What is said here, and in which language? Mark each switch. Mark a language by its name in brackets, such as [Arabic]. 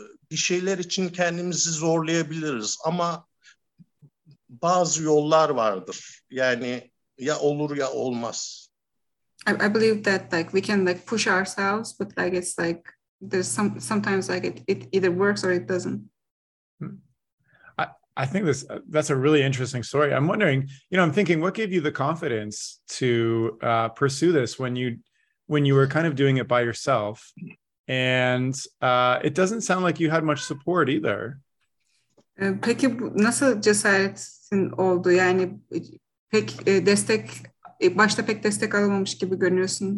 [Turkish] Bir şeyler için kendimizi zorlayabiliriz ama bazı yollar vardır. Yani ya olur ya olmaz. [English] I believe that we can push ourselves, but it's there's sometimes it either works or it doesn't. I think that's a really interesting story. I'm wondering, I'm thinking, what gave you the confidence to pursue this when you were kind of doing it by yourself? And it doesn't sound like you had much support either. [Turkish] Peki nasıl cesaretin oldu? Yani pek destek, başta pek destek alamamış gibi görünüyorsun.